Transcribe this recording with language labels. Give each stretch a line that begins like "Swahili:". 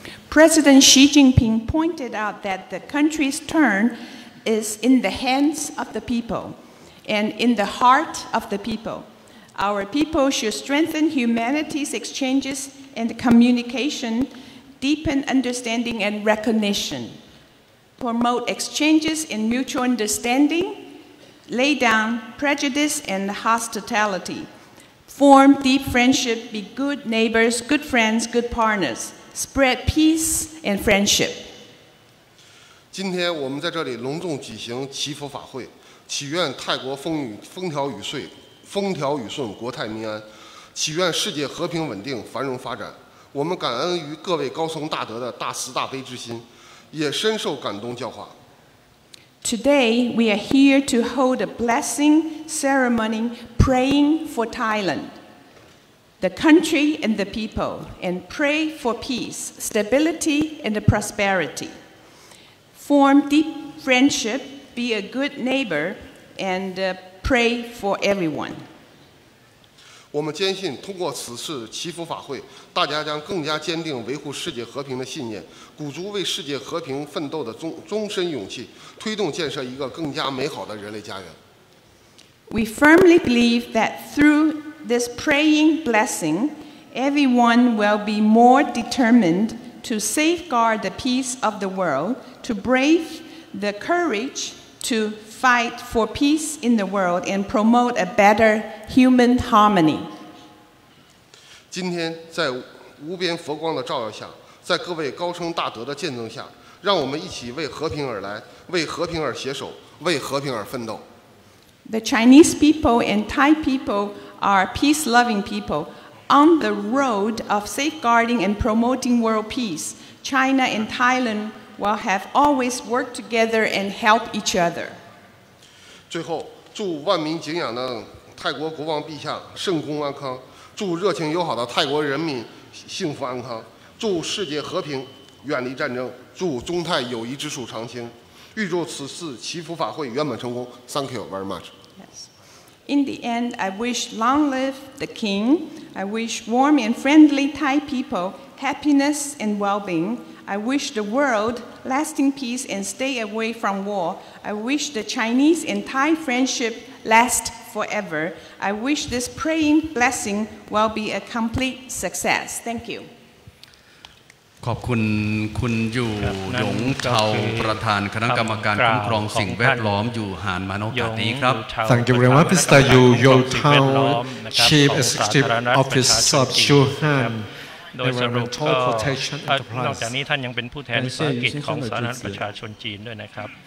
English: President Xi Jinping pointed out that the country's turn is in the hands of the people and in the heart of the people. Our people should strengthen humanity's exchanges and communication, deepen understanding and recognition, promote exchanges and mutual understanding, lay down prejudice and hostility, form deep friendship, be good neighbors, good friends, good partners, spread peace and friendship.
Chinese: 今天我们在这里隆重举行祈福法会，祈愿泰国风调雨顺，国泰民安，祈愿世界和平稳定，繁荣发展。我们感恩于各位高僧大德的大慈大悲之心，也深受感动教化。
English: Today we are here to hold a blessing ceremony praying for Thailand. the country and the people, and pray for peace, stability, and prosperity. Form deep friendship, be a good neighbor, and pray for everyone.
Chinese: 我们坚信通过此次祈福法会，大家将更加坚定维护世界和平的信念，鼓足为世界和平奋斗的终身勇气，推动建设一个更加美好的人类家园。
English: We firmly believe that through this praying blessing, everyone will be more determined to safeguard the peace of the world, to brave the courage to fight for peace in the world and promote a better human harmony.
Chinese: 今天在无边佛光的照耀下，在各位高声大德的见证下，让我们一起为和平而来，为和平而携手，为和平而奋斗。
English: The Chinese people and Thai people are peace-loving people. On the road of safeguarding and promoting world peace, China and Thailand will have always worked together and help each other.
Chinese: 最后，祝万民敬仰的泰国国王陛下圣功安康，祝热情友好的泰国人民幸福安康，祝世界和平，远离战争，祝中泰友谊之树常青。预祝此次祈福法会圆满成功。
English: Thank you very much. Yes. In the end, I wish long live the king. I wish warm and friendly Thai people happiness and well-being. I wish the world lasting peace and stay away from war. I wish the Chinese and Thai friendship last forever. I wish this praying blessing will be a complete success. Thank you.
Thai: ขอบคุณคุณอยู่หยงเฉาประธานคณะกรรมการคุ้มครองสิ่งแวดล้อมอยู่หานมานกาตีครับ
English: Thank you very much Mr. Yu Yongtao Chief Executive Office of Chu Han
Thai: โดยสรุปก็นอกจากนี้ท่านยังเป็นผู้แทนภาคกิจของสาธารณประชาชนจีนด้วยนะครับ